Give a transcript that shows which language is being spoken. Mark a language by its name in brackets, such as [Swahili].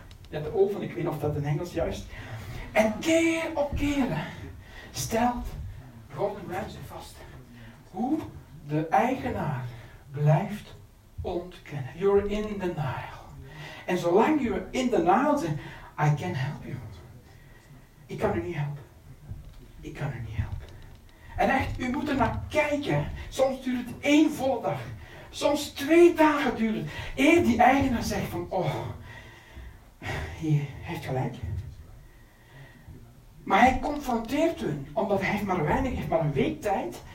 [Dutch] Ja, de oven, ik weet niet of dat in Engels juist. En keer op keer stelt Gordon Ramsay vast hoe de eigenaar blijft ontkennen. [English] You're in denial. [Dutch] En zolang je in denial bent, [English] I can help you. [Dutch] Ik kan u niet helpen. Ik kan u niet helpen. En echt, u moet er naar kijken. Soms duurt het één volle dag. Soms 2 dagen duurt eer die eigenaar zegt van, oh, hij heeft gelijk. Maar hij confronteert hun, omdat hij maar weinig heeft, maar een week tijd.